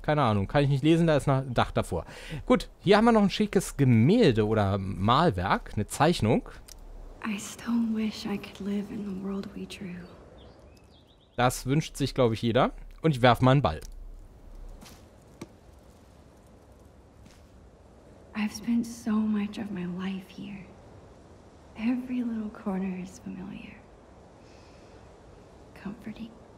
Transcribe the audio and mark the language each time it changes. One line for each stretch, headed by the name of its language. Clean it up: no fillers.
German: Keine Ahnung, kann ich nicht lesen, da ist ein Dach davor. Gut, hier haben wir noch ein schickes Gemälde oder Malwerk, eine Zeichnung.
English: I still wish I could live in the world we drew.
German: Das wünscht sich, glaube ich, jeder. Und ich werfe mal einen Ball.
English: I've spent so much of my life here. Every little corner is familiar. Comforting.